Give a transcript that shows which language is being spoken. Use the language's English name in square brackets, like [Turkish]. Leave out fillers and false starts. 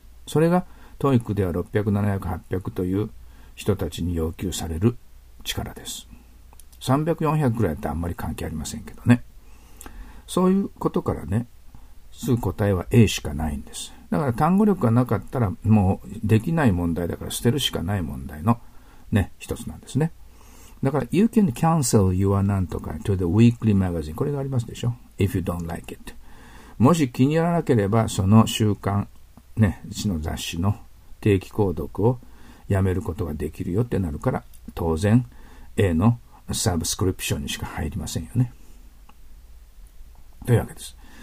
[Japanese] それがTOEICでは600、700、800という人たちに要求される力です。 300、400くらいってあんまり関係ありませんけどね。そういうことからね、すぐ答えは A しかないんです。だから単語力がなかったらもうできない問題だから捨てるしかない問題のね、一つなんですね。 [English] だから You can cancel your [Japanese] なんとか [English] to the weekly magazine。 [Japanese] これがありますでしょ。 [English] If you don't like it。 [Japanese] もし気に入らなければその週刊ね、うちの雑誌の定期購読をやめることができるよってなるから、当然 A のサブスクリプションにしか入りませんよね。というわけです。